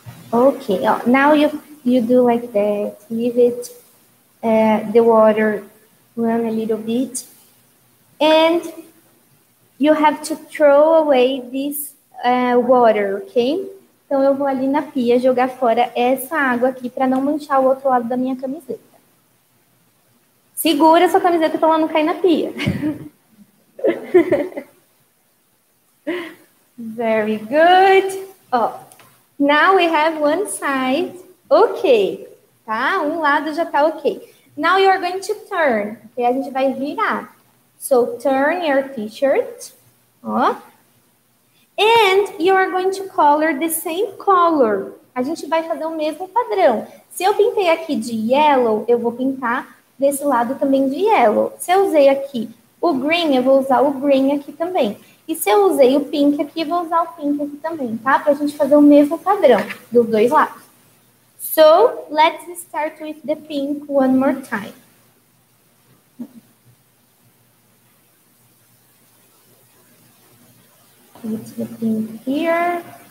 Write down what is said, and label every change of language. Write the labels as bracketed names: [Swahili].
[English] Okay. Oh, now you do like that. Leave it the water run a little bit. And you have to throw away this water, ok? [Portuguese] Então, eu vou ali na pia jogar fora essa água aqui para não manchar o outro lado da minha camiseta. Segura sua camiseta para ela não cair na pia. [English] Very good. Oh, now we have one side. Ok. Tá? [Portuguese] Um lado já tá ok. [English] Now you are going to turn. Okay? [Portuguese] A gente vai virar. [English] So, turn your t-shirt. Oh. And you are going to color the same color. [Portuguese] A gente vai fazer o mesmo padrão. Se eu pintei aqui de yellow, eu vou pintar desse lado também de yellow. Se eu usei aqui o green, eu vou usar o green aqui também. E se eu usei o pink aqui, eu vou usar o pink aqui também, tá? Pra gente fazer o mesmo padrão dos dois lados. [English] So, let's start with the pink one more time. Put the pink here.